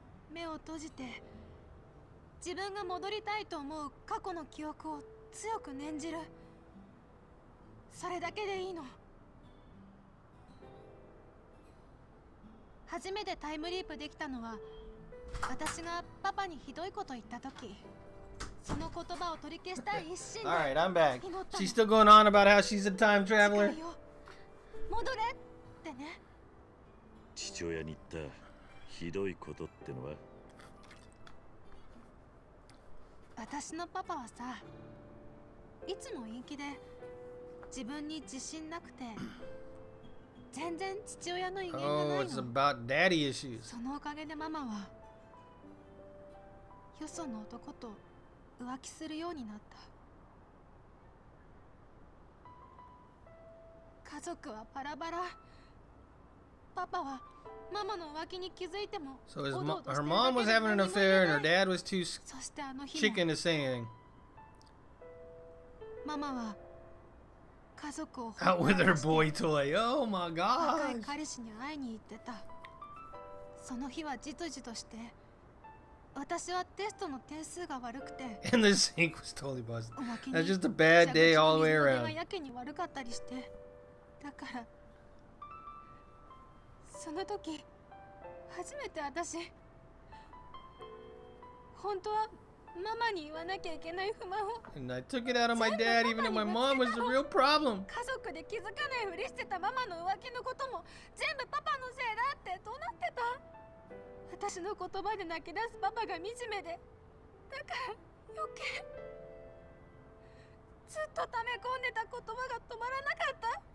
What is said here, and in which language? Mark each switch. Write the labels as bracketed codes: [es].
[ja] 目を閉じて自分が戻りたいと思う過去の記憶を強く念じる、それだけでいいの。初めてタイムリープできたのは、私がパパにひどいこと言った時、その言葉を取り消したい一心で。 [en] Alright, I'm back. She's still going on about how she's a time traveler. [ja] 戻れってね。父親に言ったひどいことってのは、私のパパはさ、いつも陰気で自分に自信なくて、全然父親の威厳がないの。 [en] Oh, it's about daddy issues. [ja] そのおかげでママはよその男と浮気するようになった。家族はバラバラ。パパはママの浮気に気づいても、 [en] そう、her mom was having an affair and her dad was too chicken to say anything. [ja] ママは家族を [en] out with her boy toy. Oh my god. [ja] 若い彼氏に会いに行ってた。その日はじとじとして、私はテストの点数が悪くて、 [en] and the sink was totally busted. That's just a bad day all the way around. [ja] やけに悪かったりして、だから。その時初めて私、本当はママに言わなきゃいけない不満を、 [en] and I took it out on my dad even though my mom was the real problem. [ja] 家族で気づかないふりしてたママの浮気のことも全部パパのせいだって怒鳴ってた。私の言葉で泣き出すパパが惨めで、だから余計ずっと溜め込んでた言葉が止まらなかった。